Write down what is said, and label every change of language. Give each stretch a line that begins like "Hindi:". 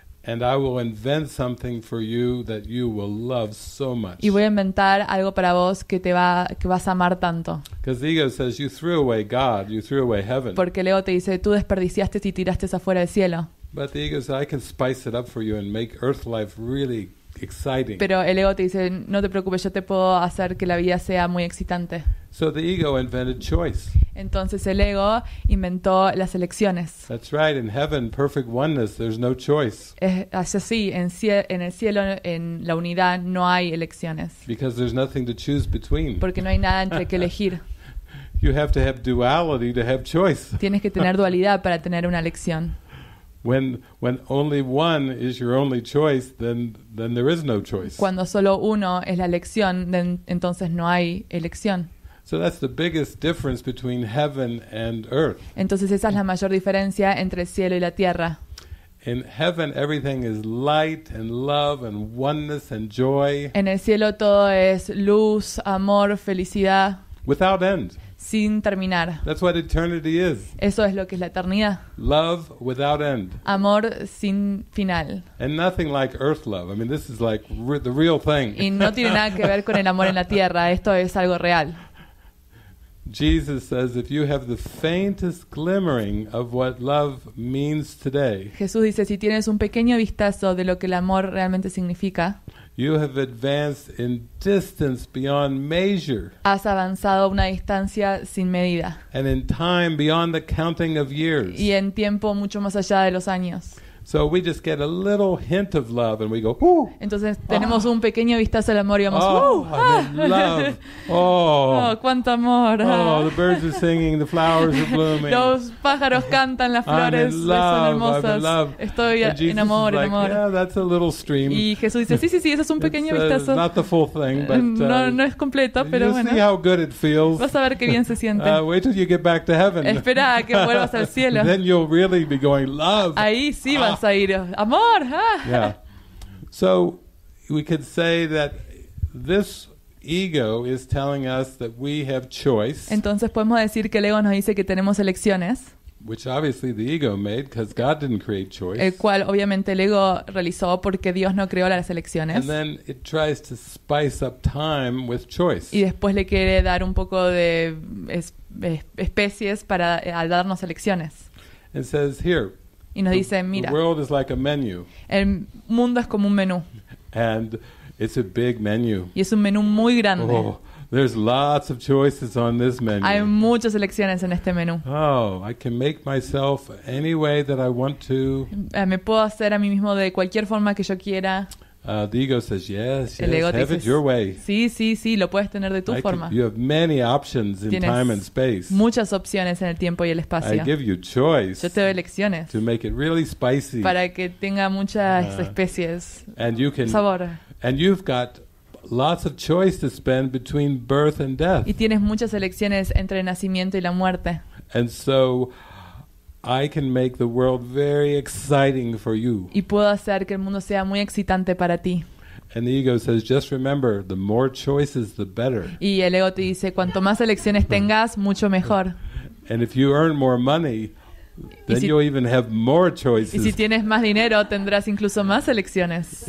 English: And I will invent something for you that you will love so much.
Spanish: Y voy a inventar algo para vos que te va que vas a amar tanto.
English: Because the ego says you threw away God, you threw away heaven.
Spanish: Porque el ego te dice tú desperdiciaste y tiraste afuera el cielo.
English: But the ego says I can spice it up for you and make earth life really exciting.
Spanish: Pero el ego te dice no te preocupes, yo te puedo hacer que la vida sea muy excitante.
English: So the ego invented choice.
Spanish: Entonces el ego inventó las elecciones.
English: That's right. In heaven, perfect oneness. There's no choice.
Spanish: Es así. En el cielo, en la unidad, no hay elecciones.
English: Because there's nothing to choose between.
Spanish: Porque no hay nada entre que elegir.
English: You have to have duality to have choice.
Spanish: Tienes que tener dualidad para tener una elección.
English: When only one is your only choice, then there is no choice.
Spanish: Cuando solo uno es la elección, entonces no hay elección.
English: So that's the biggest difference between heaven and earth.
Spanish: Entonces esa es la mayor diferencia entre el cielo y la tierra.
English: In heaven everything is light and love and oneness and joy.
Spanish: En el cielo todo es luz, amor, felicidad.
English: Without end.
Spanish: Sin terminar.
English: That's what eternity is.
Spanish: Eso es lo que es la eternidad.
English: Love without end.
Spanish: Amor sin final.
English: And nothing like earth love. I mean this is like the real thing.
Spanish: Y no tiene nada que ver con el amor en la tierra, esto es algo real.
English: Jesus says, "If you have the faintest glimmering of what love means today,"
Spanish: Jesús dice, si tienes un pequeño vistazo de lo que el amor realmente significa,
English: "you have advanced in distance beyond measure."
Spanish: Has avanzado una distancia sin medida.
English: "And in time beyond the counting of years."
Spanish: Y en tiempo mucho más allá de los años.
English: So we just get a little hint of love, and we go, "Ooh!"
Spanish: Entonces tenemos un pequeño vistazo al amor y vamos, "Ooh! Ah!
English: Love! Oh!
Spanish: Oh! Cuánto amor! Oh!
English: The birds are singing, the flowers are blooming.
Spanish: Los pájaros cantan, las flores son hermosas.
English: I'm in love.
Spanish: Estoy en amor,
English: like,
Spanish: en amor.
English: Yeah, that's a little stream.
Spanish: Y Jesús dice, sí, sí, sí, eso es un pequeño vistazo.
English: Not the full thing, but
Spanish: no es completo, pero
English: you'll
Spanish: bueno.
English: See how good it feels.
Spanish: Vas a ver qué bien se siente.
English: Wait till you get back to heaven.
Spanish: Espera a que vuelvas al cielo.
English: Then you'll really be going, love.
Spanish: Ahí sí. Ah. A ir. Amor, ah. Yeah.
English: So we could say that this ego is telling us that we have choice.
Spanish: Entonces podemos decir que el ego nos dice que tenemos elecciones.
English: Which obviously the ego made because God didn't create choice.
Spanish: El cual obviamente el ego realizó porque Dios no creó las elecciones.
English: And then it tries to spice up time with choice.
Spanish: Y después le quiere dar un poco de especies para al darnos elecciones.
English: And says here.
Spanish: Y nos dice, mira,
English: the world is like a menu.
Spanish: El mundo es como un menú.
English: And it's a big menu.
Spanish: Y es un menú muy grande.
English: Oh, there's lots of choices on this menu.
Spanish: Hay muchas elecciones en este menú.
English: Oh, I can make myself any way that I want to.
Spanish: Me puedo hacer a mí mismo de cualquier forma que yo quiera.
English: The ego says, yes,
Spanish: el ego
English: yes,
Spanish: dice,
English: have it your way.
Spanish: Sí, sí, sí, lo puedes tener de tu
English: I
Spanish: forma.
English: You have many options in
Spanish: Tienes
English: time and space.
Spanish: Muchas opciones en el tiempo y el espacio.
English: I give you choice.
Spanish: Yo te doy elecciones.
English: To make it really spicy.
Spanish: Para que tenga muchas especies.
English: And you can,
Spanish: sabor.
English: And you've got lots of choice to spend between birth and death.
Spanish: Y tienes muchas elecciones entre el nacimiento y la muerte.
English: And so I can make the world very exciting for you.
Spanish: Y puedo hacer que el mundo sea muy excitante para ti.
English: And the ego says, just remember, the more choices, the better.
Spanish: Y el ego te dice, cuanto más elecciones tengas, mucho mejor.
English: And if you earn more money, then si, you'll even have more choices.
Spanish: Y si tienes más dinero, tendrás incluso más elecciones.